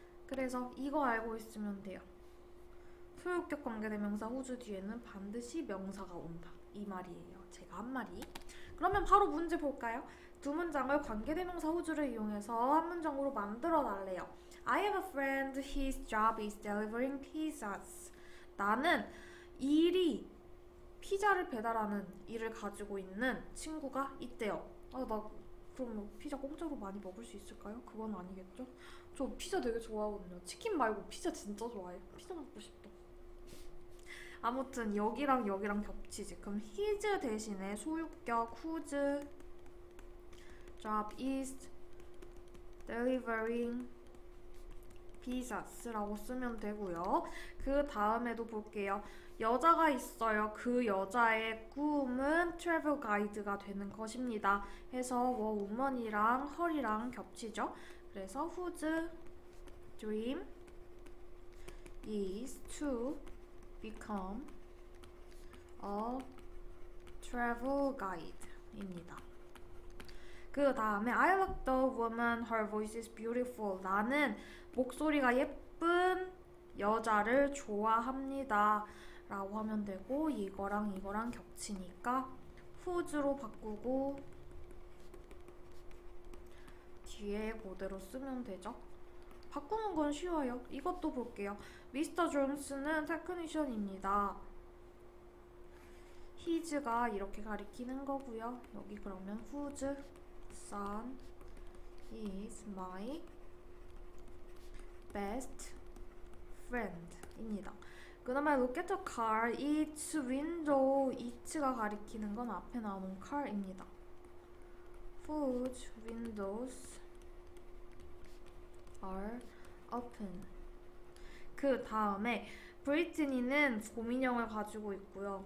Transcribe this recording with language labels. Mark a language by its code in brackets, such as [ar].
[ko] 그래서 이거 알고 있으면 돼요. 소유격 관계대명사 후즈 뒤에는 반드시 명사가 온다. 이 말이에요. 제가 한 말이. 그러면 바로 문제 볼까요? 두 문장을 관계대명사 후즈를 이용해서 한 문장으로 만들어 달래요. [en] I have a friend. His job is delivering pizzas. [ko] 나는 일이 피자를 배달하는 일을 가지고 있는 친구가 있대요. 아, 나 그럼 피자 공짜로 많이 먹을 수 있을까요? 그건 아니겠죠? 저 피자 되게 좋아하거든요. 치킨 말고 피자 진짜 좋아해요. 피자 먹고 싶다. 아무튼 여기랑 여기랑 겹치지. 그럼 his 대신에 소유격 [en] whose job is delivering pizzas [ko] 라고 쓰면 되고요. 그 다음에도 볼게요. 여자가 있어요. 그 여자의 꿈은 트래블 가이드가 되는 것입니다. 해서 woman이랑 her이랑 겹치죠. 그래서 [en] whose dream is to become a travel guide입니다. [ko] 그 다음에 [en] I like the woman. Her voice is beautiful. [ko] 나는 목소리가 예쁜 여자를 좋아합니다. 라고 하면 되고 이거랑 이거랑 겹치니까 whose로 바꾸고 뒤에 그대로 쓰면 되죠. 바꾸는 건 쉬워요. 이것도 볼게요. Mr. Jones는 테크니션입니다. His가 이렇게 가리키는 거고요. 여기 그러면 [en] whose son is my best friend입니다. [ko] 그 다음에 [en] look at the car, it's window, [ko] it가 가리키는 건 앞에 나오는 car입니다. [en] Whose windows are open. [ko] 그 다음에 브리트니는 곰인형을 가지고 있고요.